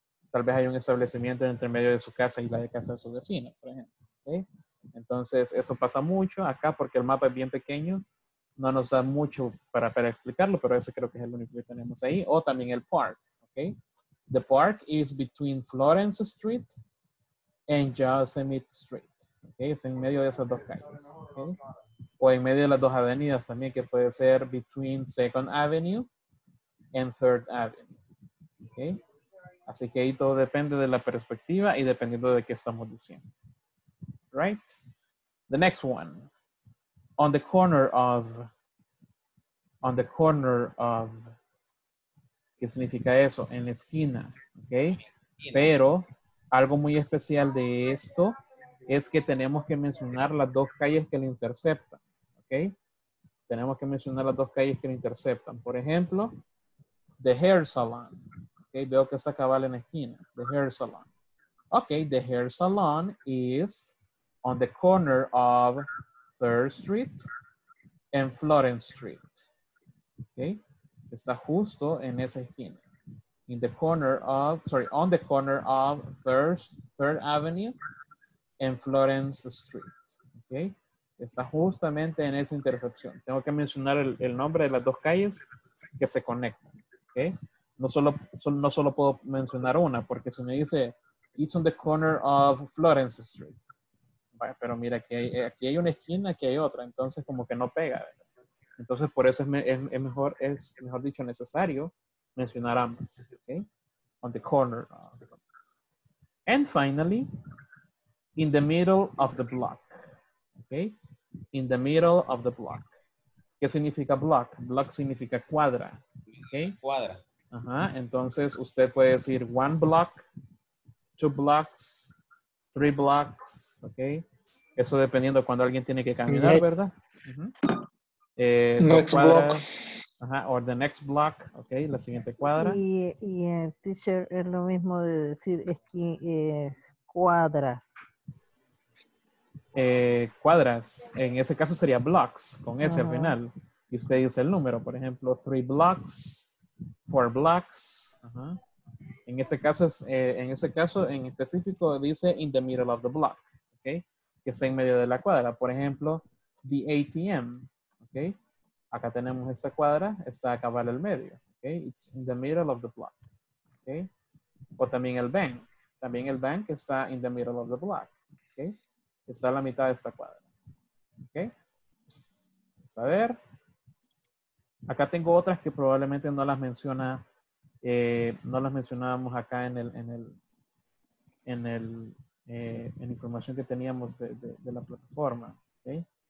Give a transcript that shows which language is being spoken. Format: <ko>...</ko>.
<es>Tal vez hay un establecimiento entre medio de su casa y la de casa de su vecino, por ejemplo. ¿Okay? Entonces, eso pasa mucho acá porque el mapa es bien pequeño. No nos da mucho para explicarlo, pero ese creo que es el único que tenemos ahí. O también el park. ¿Okay?</es> <en>The park is between Florence Street and Yosemite Street.</en> <es>¿Okay? Es en medio de esas dos calles. ¿Okay? O en medio de las dos avenidas también, que puede ser</es> <en>between Second Avenue and Third Avenue.</en> <es>Okay. Así que ahí todo depende de la perspectiva y dependiendo de qué estamos diciendo.</es> <en>Right? The next one. On the corner of. On the corner of.</en> <es>¿Qué significa eso? En la esquina. Okay. Pero algo muy especial de esto es que tenemos que mencionar las dos calles que le interceptan. Okay. Tenemos que mencionar las dos calles que le interceptan. Por ejemplo,</es> <en>the hair salon.</en> <es>Okay, veo que está cabal en la esquina.</es> <en>The hair salon. Okay, the hair salon is on the corner of 3rd Street and Florence Street. Okay,</en> <es>está justo en esa esquina.</es> <en>In the corner of, sorry, on the corner of 3rd Avenue and Florence Street.</en> <es>Okay, está justamente en esa intersección. Tengo que mencionar el nombre de las dos calles que se conectan. Okay. No solo puedo mencionar una, porque si me dice,</es> <en>it's on the corner of Florence Street.</en> <es>Bueno, pero mira, aquí hay una esquina, aquí hay otra. Entonces, como que no pega. ¿Verdad? Entonces, por eso es mejor dicho, necesario mencionar ambas,</es> <en>okay? On the corner. And finally, in the middle of the block, okay? In the middle of the block.</en> <es>¿Qué significa</es> <en>block?</en> <es>Block significa cuadra, okay? Cuadra.</es> <en>Ajá,</en> <es>entonces usted puede decir</es> <en>one block, two blocks, three blocks, okay?</en> <es>Eso dependiendo cuando alguien tiene que caminar, ¿verdad?</es> <en>Uh-huh. Next cuadra, block. Uh-huh, or the next block, okay,</en> <es>la siguiente cuadra. Y el teacher es lo mismo de decir es que cuadras. Cuadras, en ese caso sería blocks, con ese al final. Y usted dice el número, por ejemplo,</es> <en>three blocks, four blocks.</en> <es>Uh-huh. En ese caso, es, en ese caso en específico dice</es> <en>in the middle of the block,</en> <es>okay, que está en medio de la cuadra. Por ejemplo, the ATM, okay. Acá tenemos esta cuadra, está acá vale el medio, okay?</es> <en>It's in the middle of the block, okay?</en> <es>O también el bank está</es> <en>in the middle of the block, okay?</en> <es>Está a la mitad de esta cuadra, okay? Vamos a ver. Acá tengo otras que probablemente no las menciona, no las mencionábamos acá en el, en información que teníamos de la plataforma, okay?</es>